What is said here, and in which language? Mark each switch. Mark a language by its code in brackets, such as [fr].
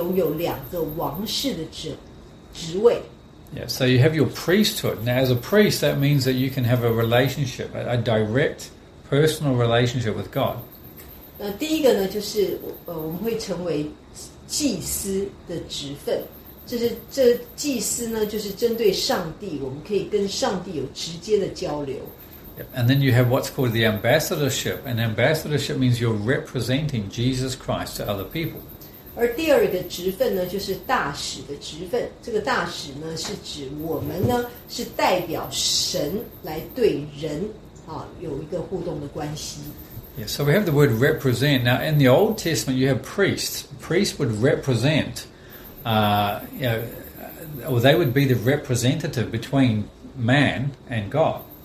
[zh] 好，我们要知道，就是不管是特权或者是也就是责任，哈，这一体两面的。那所以第一件事情呢，在教会时期呢，每一个耶稣基督的信徒都会拥有两个王室的职位。 [en] Yeah, so you have your priesthood. Now, as a priest, that means that you can have a relationship, a direct personal relationship with God. [zh] 第一个呢，就是我们会成为祭司的职分，就是这祭司呢，就是针对上帝，我们可以跟上帝有直接的交流。 [en] And then you have what's called the ambassadorship. And ambassadorship means you're representing Jesus Christ to other people. [zh] 而第二个职分呢，就是大使的职分。这个大使呢，是指我们呢，是代表神来对人啊，有一个互动的关系。Yeah, [en] so we have the word represent. Now, in the Old Testament, you have priests. Priests would represent, they would be the representative between man and God.